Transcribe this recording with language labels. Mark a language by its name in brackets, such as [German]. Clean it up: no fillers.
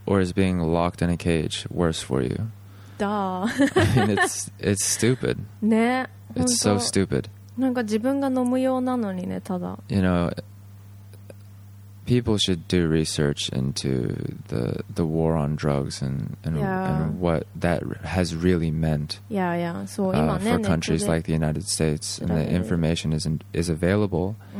[English] Or is being locked in a cage worse for you? Duh. I mean, it's stupid. [Japanese] ね、 [English] it's so stupid. [Japanese] なんか自分が飲むようなのにね、ただ。 [English] You know, people should do research into the war on drugs and what that has really meant. Yeah, yeah. So, for countries like the United States, and the information is available.